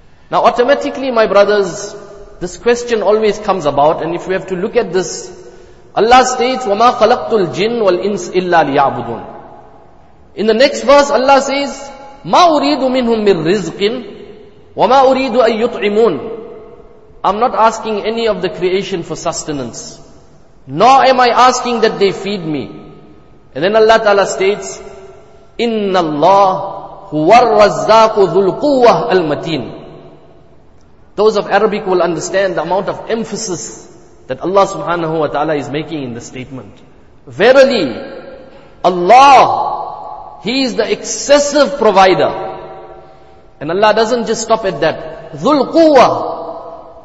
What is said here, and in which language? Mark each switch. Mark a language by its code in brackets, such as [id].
[en] Now automatically, my brothers, this question always comes about, and if we have to look at this, Allah states, [ar] وَمَا خَلَقْتُ الْجِنَّ وَالْإِنسِ إِلَّا لِيَعْبُدُونَ. [en] In the next verse, Allah says, [ar] مَا أُرِيدُ مِنْهُمْ مِنْ رِزْقٍ وَمَا أُرِيدُ أَن يُطْعِمُونَ. [en] I'm not asking any of the creation for sustenance, nor am I asking that they feed me. And then Allah Ta'ala states, [ar] إِنَّ اللَّهُ هُوَ الرَّزَّاقُ ذُو الْقُوَّةِ الْمَتِينَ. [en] Those of Arabic will understand the amount of emphasis that Allah Subhanahu Wa Ta'ala is making in the statement. Verily, Allah, He is the excessive provider. And Allah doesn't just stop at that. Dhul Quwwa.